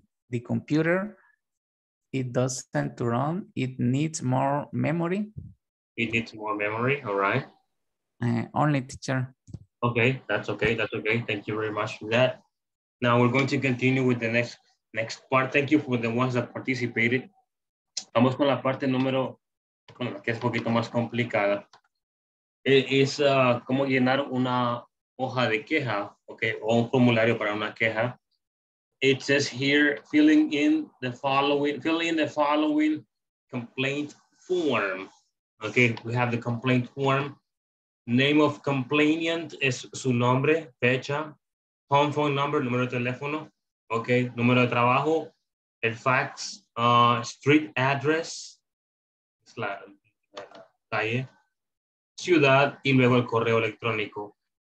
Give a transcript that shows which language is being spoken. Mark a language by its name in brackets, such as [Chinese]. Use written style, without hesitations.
[English] The computer, it doesn't to run. It needs more memory. It needs more memory, all right. Only teacher. Okay, that's okay, that's okay. Thank you very much for that. Now we're going to continue with the next part. Thank you for the ones that participated. [Spanish] Vamos con la parte número, que es un poquito más complicada. Es cómo llenar una hoja de queja, okay, o un formulario para una queja. [English] It says here, filling in the following complaint form. Okay, we have the complaint form. [Spanish] Name of complainant es su nombre, fecha, [English] home phone number, [Spanish] número de teléfono, okay, número de trabajo, el fax, [English] street address, [Spanish] es la calle, ciudad, y luego el correo electrónico.